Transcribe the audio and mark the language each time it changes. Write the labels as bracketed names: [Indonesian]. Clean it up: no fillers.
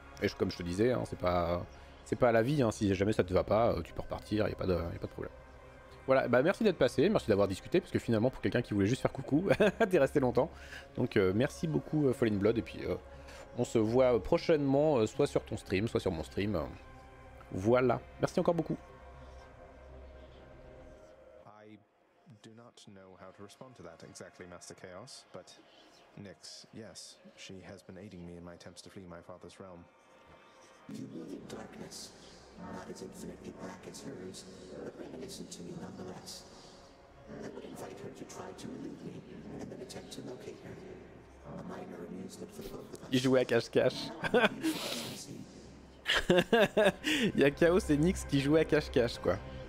[French] Et comme je te disais, hein, c'est pas la vie, hein, si jamais ça te va pas, tu peux repartir, y a pas de problème. Voilà, bah merci d'être passé, merci d'avoir discuté, parce que finalement pour quelqu'un qui voulait juste faire coucou, t'es resté longtemps. Donc merci beaucoup Fallen Blood, et puis on se voit prochainement, soit sur ton stream, soit sur mon stream. Voilà. Merci encore beaucoup. [English] I do not know how to respond to that exactly, Master Chaos, but. Nyx, yes, she has been aiding me in my attempts to flee my father's realm. You live in darkness, not as infinitely black as hers, but reminiscent to me nonetheless. I would invite her to try to elude me and then attempt to locate her. A minor amusement for the both of us. [French] Il jouait à cache-cache. Il y a Chaos et Nyx qui jouaient à cache-cache, quoi.